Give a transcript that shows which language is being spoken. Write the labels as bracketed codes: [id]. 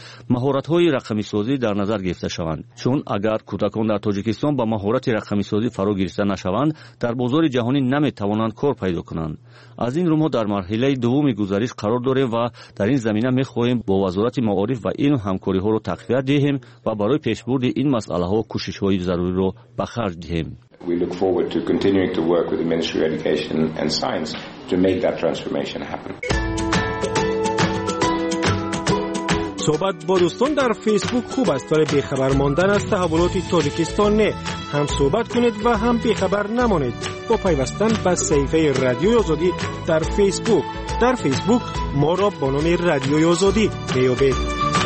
[fa] مهارت های رقمی سازی در نظر گرفته شوند، چون اگر کودکان در تاجیکستان با مهارت رقمی سازی فرا گرفته نشوند در بازار جهانی نمی توانند کار پیدا کنند. از این رو ما در مرحله دوم گزارش قرار داریم و در این زمینه می خواهیم با وزارت معارف و این همکاری ها را تقویت دهیم و برای پیشبرد این مسئله ها کوشش های ضروری را به خرج دهیم. [en] We look forward to continuing to work with the Ministry of Education and Science to make that transformation happen. [fa] صحبت با دوستان در فیسبوک خوب است، ولی بیخبر ماندن از تحولات تاجیکستان نه. هم صحبت کنید و هم بیخبر نمانید با پیوستن به صفحه رادیوی آزادی در فیسبوک. در فیسبوک ما را با نام رادیوی آزادی می‌یابید.